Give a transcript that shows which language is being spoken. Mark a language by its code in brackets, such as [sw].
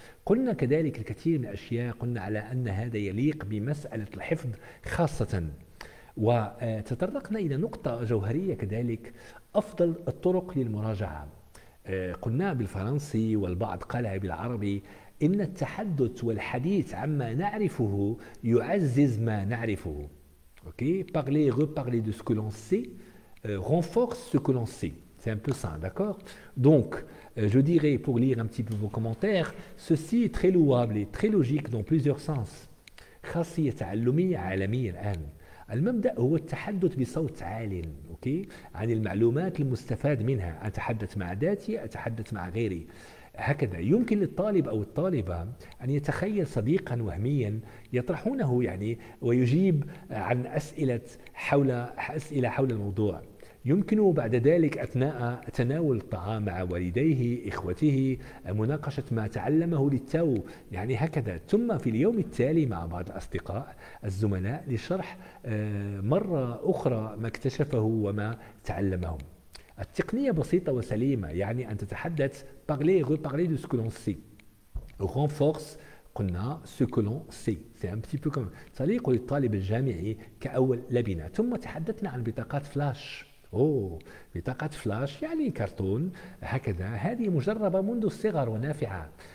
[ar] قلنا كذلك الكثير من الأشياء، قلنا على أن هذا يليق بمسألة الحفظ خاصة. وتطرقنا إلى نقطة جوهرية كذلك، أفضل الطرق للمراجعة. قلنا بالفرنسي، والبعض قالها بالعربي، إن التحدث والحديث عما نعرفه يعزز ما نعرفه. [fr] أوكي، parler reparler de ce que l'on sait renforce ce que l'on sait. C'est un peu ça, d'accord? Donc je dirais, pour lire un petit peu vos commentaires, ceci est très louable et très logique dans plusieurs sens. [ar] خاصية تعلمية عالمية الآن. المبدأ هو التحدث بصوت عال، أوكي، عن المعلومات المستفاد منها. أتحدث مع ذاتي، أتحدث مع غيري، هكذا. يمكن للطالب أو الطالبة أن يتخيل صديقا وهميا يطرحونه يعني ويجيب عن أسئلة حول الموضوع. يمكنه بعد ذلك أثناء تناول الطعام مع والديه، إخوته، مناقشة ما تعلمه للتو، يعني هكذا. ثم في اليوم التالي مع بعض الأصدقاء الزملاء لشرح مرة أخرى ما اكتشفه وما تعلمه. التقنية بسيطة وسليمة، يعني أن تتحدث [fr] parler reparler de ce que l'on sait renforce [ar] قلنا [fr] ce que l'on sait. C'est un petit peu comme [ar] تليق للطالب الجامعي كأول لبنة. ثم تحدثنا عن بطاقات فلاش. بطاقة فلاش يعني كرتون هكذا، هذه مجربة منذ الصغر ونافعة.